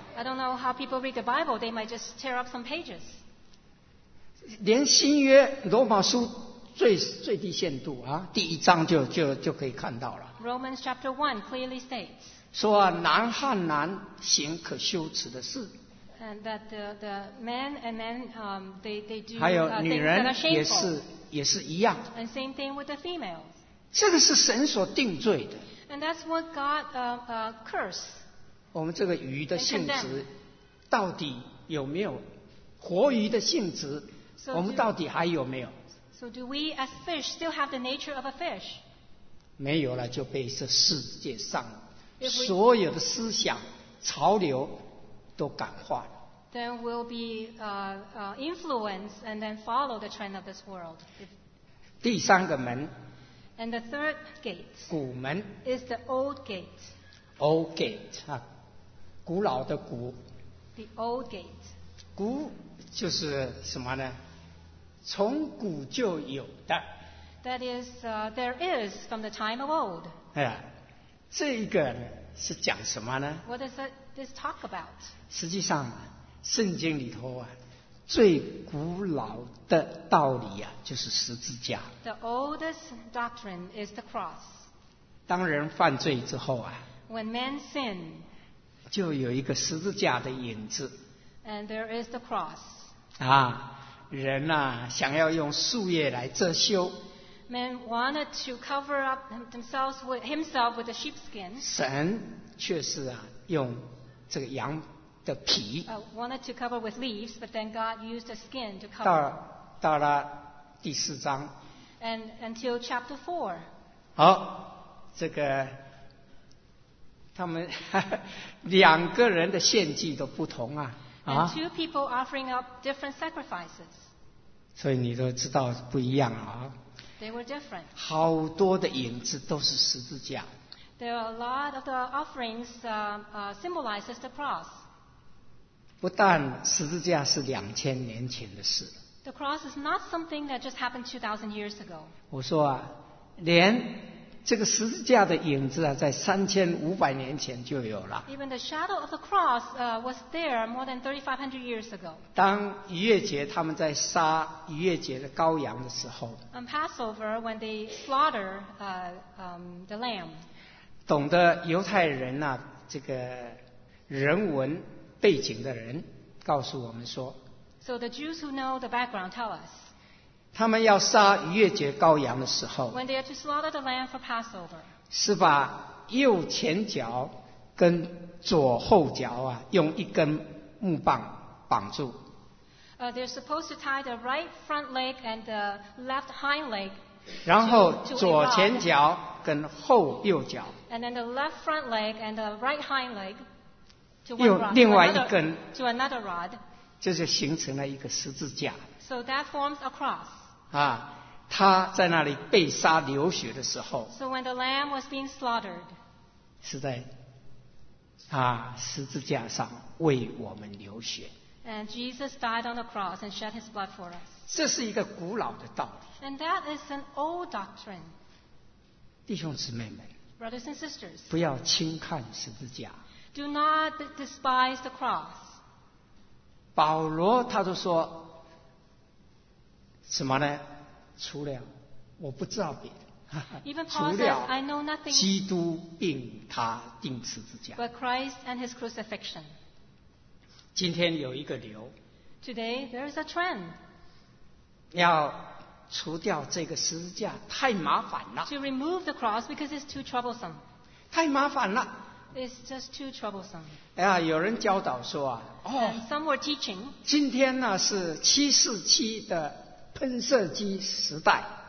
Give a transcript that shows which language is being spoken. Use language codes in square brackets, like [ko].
[en] I don't know how people read the Bible. They might just tear up some pages. [zh] 连新约罗马书 最低限度啊，第一章 就可以看到了。 [en] Romans chapter 1 clearly states [zh] 说、啊、男和男行可羞耻的事。 [en] And that the men and men they do. [zh] 还有女人也是一样。 [en] And same thing with the females. [zh] 这个是神所定罪的。 [en] And that's what God cursed. [zh] 我们这个鱼的性质到底有没有活鱼的性质？ [en] So、 [zh] 我们到底还有没有？ [en] So do we as fish still have the nature of a fish? [zh] 没有了，就被这世界上所有的思想潮流都感化了。 [en] Then we'll be influenced and then follow the trend of this world. [zh] 第三个门 [en] and the third gate [zh] 古门 [en] is the old gate. Old gate [zh] 啊，古老的古 [en] The old gate. [zh] 古就是什么呢？从古就有的。 [en] That is, there is from the time of old. [zh] 哎呀，这一个呢是讲什么呢 [en] ？What does this talk about? [zh] 实际上。圣经里头啊，最古老的道理啊，就是十字架。 [en] The oldest doctrine is the cross. [zh] 当人犯罪之后啊 [en] ，When man sin， [zh] 就有一个十字架的影子。 [en] And there is the cross. [zh] 啊，人啊，想要用树叶来遮羞。 [en] Man wanted to cover up himself with a sheepskin. [zh] 神却是啊，用这个羊。的皮 [en] wanted to cover with leaves, but then God used the skin to cover. [zh] 到了第四章 [en] and until chapter four. [zh] 好，这个他们两个人的献祭都不同啊。 [en] And two people offering up different sacrifices. [zh] 所以你都知道不一样啊。 [en] They were different. [zh] 好多的影子都是十字架。 [en] There are a lot of the offerings symbolizes the cross. [zh] 不但十字架是两千年前的事。 [en] The cross is not something that just happened 2,000 years ago. [zh] 我说啊，连这个十字架的影子啊，在3500年前就有了。 [en] Even the shadow of the cross was there more than 3,500 years ago. [zh] 当逾越节他们在杀逾越节的羔羊的时候 [en] ，On Passover when they slaughter the lamb. [zh] 懂得犹太人呐、啊，这个人文。背景的人告诉我们说 [en] So the Jews who know the background tell us [zh] 他们要杀逾越节羔羊的时候 [en] When they are to slaughter the lamb for Passover [zh] 是把右前脚跟左后脚啊用一根木棒绑住 [en] They're supposed to tie the right front leg and the left hind leg [zh] 然后左前脚跟后右脚 [en] And then the left front leg and the right hind leg [zh] 用另外一根 [en] to another rod, [zh] 就是形成了一个十字架 [en] so that forms a cross. [zh] 啊，他在那里被杀流血的时候 [en] so when the lamb was being slaughtered, [zh] 是在啊十字架上为我们流血 [en] and Jesus died on the cross and shed his blood for us. [zh] 这是一个古老的道理 [en] and that is an old doctrine. [zh] 弟兄姊妹们 [en] brothers and sisters, [zh] 不要轻看十字架 [en] Do not despise the cross. [zh] 保罗他就说什么呢？除了我不知道别的。 [en] Even Paul says, I know nothing. [zh] 基督并他钉十字架。 [en] But Christ and his crucifixion. [zh] 今天有一个流。 [en] Today there is a trend. [zh] 要除掉这个十字架太麻烦了。 [en] To remove the cross because it's too troublesome. [zh] 太麻烦了。 [en] It's just too troublesome. [zh] 哎呀，有人教导说啊，哦， [en] some were teaching, [zh] 今天呢是747的喷射机时代。